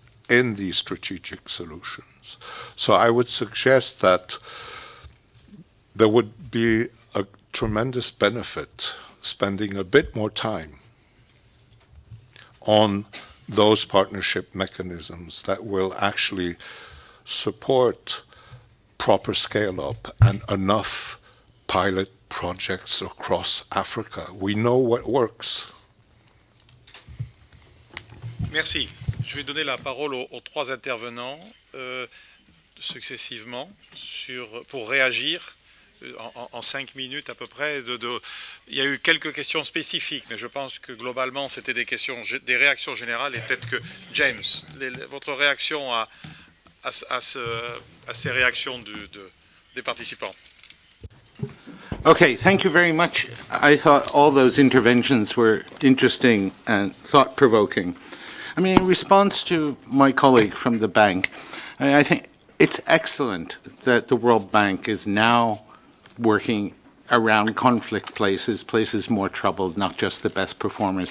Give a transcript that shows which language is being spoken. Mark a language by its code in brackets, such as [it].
[en] in these strategic solutions. So I would suggest that there would be a tremendous benefit spending a bit more time on those partnership mechanisms that will actually support proper scale-up and enough pilot projects across Africa. We know what works. [fr] Merci. Je vais donner la parole aux trois intervenants successivement pour réagir en cinq minutes à peu près. Il y a eu quelques questions spécifiques, mais je pense que globalement, c'était des réactions générales. Et peut-être que, James, votre réaction à ces réactions des participants. [en] Okay, thank you very much. I thought all those interventions were interesting and thought-provoking. I mean, in response to my colleague from the bank, I think it's excellent that the World Bank is now working around conflict places, places more troubled, not just the best performers.